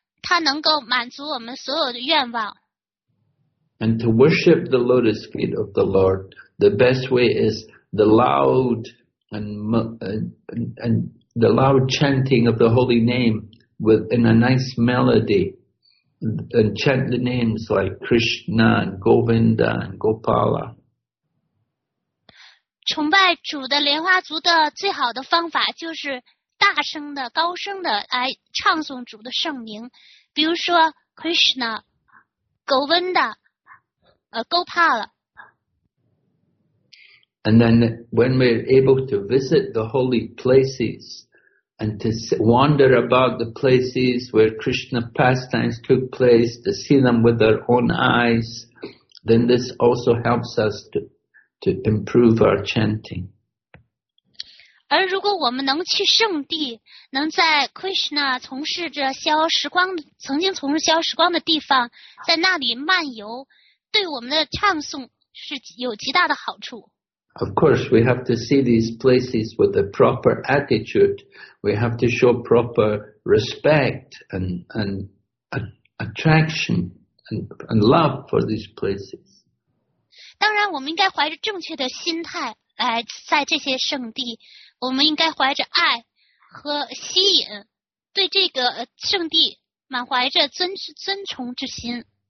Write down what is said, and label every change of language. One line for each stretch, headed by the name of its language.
Chinese: 它能够满足我们所有的愿望。
English: And to worship the lotus feet of the Lord, the best way is the loud chanting of the holy name within a nice melody, and chant the names like Krishna and Govinda and Gopala.
Chinese: 崇拜主的莲花足的最好的方法就是大声的、高声的来唱诵主的圣名。比如说 Krishna, Govinda, Gopala.
English: And then when we're able to visit the holy places and to wander about the places where Krishna pastimes took place, to see them with our own eyes, then this also helps us to improve our chanting.
Chinese: 而如果我们能去圣地，能在 Krishna 从事着逍遥时光，曾经从事逍遥时光的地方，在那里漫游，对我们的唱诵是有极大的好处。
English: Of course, we have to see these places with a proper attitude. We have to show proper respect and attraction and love for these places.
Chinese: 当然，我们应该怀着正确的心态来在这些圣地。我们应该怀着爱和吸引，对这个圣地满怀着尊崇之心。